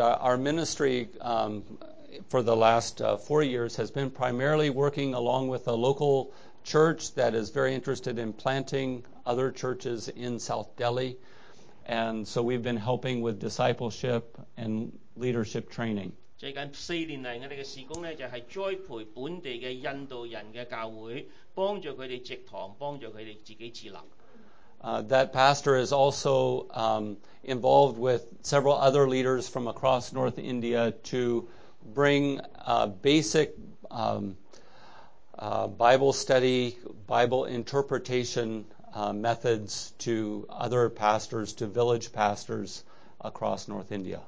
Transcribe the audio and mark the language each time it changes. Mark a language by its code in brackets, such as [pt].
[en] our ministry for the last 4 years has been primarily working along with a local church that is very interested in planting other churches in South Delhi. And so we've been helping with discipleship and leadership training. [zh] 最近四年來我們的事工就是栽培本地的印度人的教會,幫助他們直堂,幫助他們自己自立。 [en] That pastor is also involved with several other leaders from across North India to bring basic Bible study, Bible interpretation methods to other pastors, to village pastors across North India.